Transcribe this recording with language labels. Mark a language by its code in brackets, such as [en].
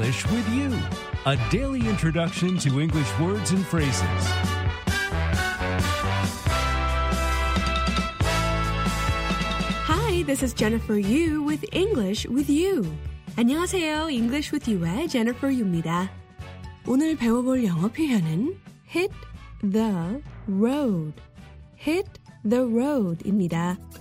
[en] with You, a daily introduction to English words and phrases. Hi, this is Jennifer Yu with English with You. [ko] 안녕하세요, English with You의 Jennifer Yu입니다. 오늘 배워볼 영어 표현은 [en] hit the road. Hit the road [ko] 입니다.